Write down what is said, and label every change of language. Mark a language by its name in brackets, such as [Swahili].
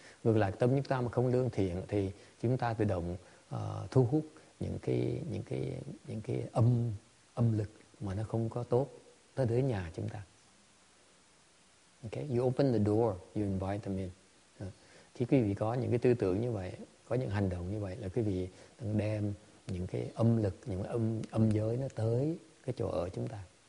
[Vietnamese] Ngược lại tâm chúng ta mà không lương thiện thì chúng ta tự động thu hút những cái âm lực mà nó không có tốt tới đến nhà chúng ta. [English] Okay, you open the door, you invite them in. [Vietnamese] Thì quý vị có những cái tư tưởng như vậy, có những hành động như vậy là quý vị đang đem những cái âm lực, những cái âm giới nó tới cái chỗ ở chúng ta.